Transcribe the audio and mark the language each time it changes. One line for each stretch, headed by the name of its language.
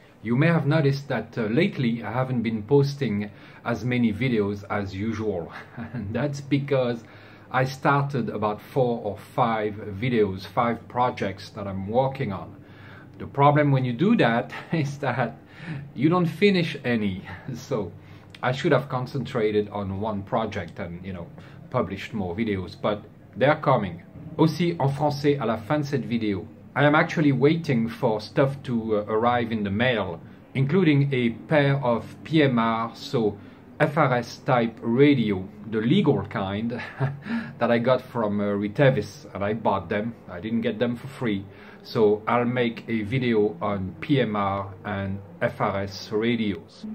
English: You may have noticed that lately I haven't been posting as many videos as usual, and that's because I started about four or five videos, five projects that I'm working on. The problem when you do that is that you don't finish any, so I should have concentrated on one project and, you know, published more videos, but they're coming.
French: Aussi en français à la fin de cette vidéo.
English: I am actually waiting for stuff to arrive in the mail, including a pair of PMR, so FRS type radio, the legal kind, that I got from Ritevis, and I bought them. I didn't get them for free. So I'll make a video on PMR and FRS radios.